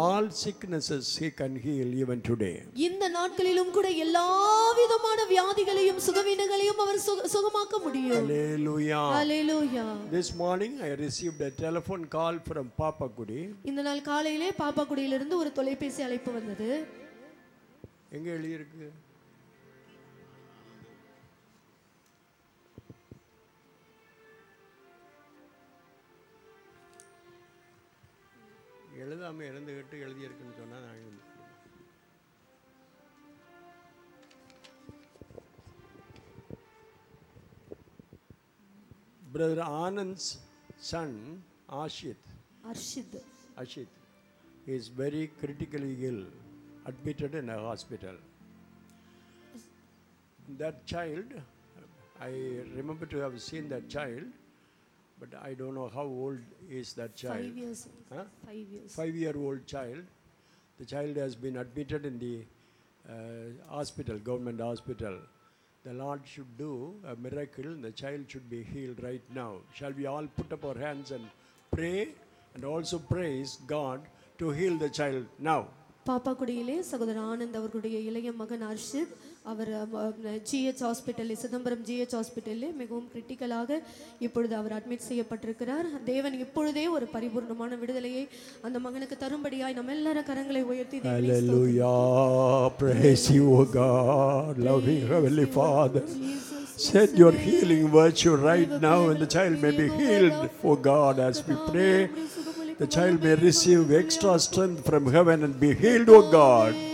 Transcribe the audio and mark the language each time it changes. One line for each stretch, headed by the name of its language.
English: Sicknesses he can heal even today.
Tamil: இந்த நாட்களிலும் கூட எல்லாவிதமான வியாதிகளையும் சுகவீனங்களையும் அவர் சுகமாக்க முடியும்.
English: Hallelujah. Hallelujah. This morning I received a telephone call from Papa Kudi.
Tamil: இந்த நாள் காலையிலே பாப்பா குடியிலிருந்து ஒரு தொலைபேசி அழைப்பு வந்தது. எங்க எழுதி இருக்கு? எழுதாம இருந்துகிட்டு எழுதியிருக்குன்னு சொன்னால் நான்
English: brother Anand's son
Tamil: Ashith Harshit
English: Arshith is very critically ill admitted in a hospital that child I remember to have seen that child But I don't know how old is that child. 5 years. Huh? 5-year-old child. The child has been admitted in the hospital, government hospital. The Lord should do a miracle. The child should be healed right now. Shall we all put up our hands and pray and also praise God to heal the child now.
Tamil: பாப்பா குடியிலே சகோதரர் ஆனந்த் அவர்களுடைய இளைய மகன் அர்ஷித் அவர் GH ஹாஸ்பிட்டலில் Chidambaram GH ஹாஸ்பிட்டலில் மிகவும் கிரிட்டிக்கலாக இப்பொழுது அவர் admit செய்யப்பட்டிருக்கிறார். தேவன் இப்பொழுதே ஒரு பரிபூர்ணமான விடுதலையை அந்த மகனுக்கு தரும்படியாய் நம்ம எல்லார கரங்களை உயர்த்தி
English: Hallelujah praise you God loving heavenly Father Send your healing virtue right now and the child may be healed for God as we pray. The child may receive extra strength from heaven and be healed, O God.